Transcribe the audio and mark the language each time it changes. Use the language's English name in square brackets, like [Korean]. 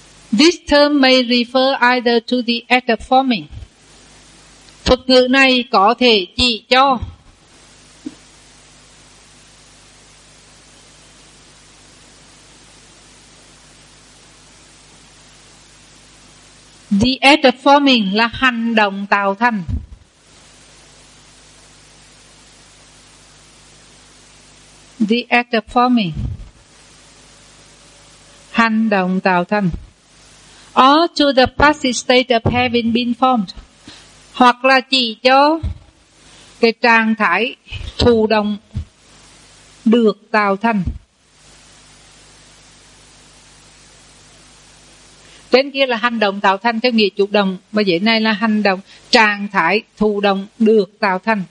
[English] This term may refer either to the act of forming. [Vietnamese] Thuật ngữ này có thể chỉ cho [English] the act of forming [Vietnamese] là hành động tạo thành. [English] The act of forming, [Vietnamese] hành động tạo thành. [English] Or to the passive state of having been formed. [Vietnamese] Hoặc là chỉ cho cái trạng thái thụ động được tạo thành. Trên kia là hành động tạo thành theo nghĩa chủ động, mà dưới này là hành động trạng thái thụ động được tạo thành.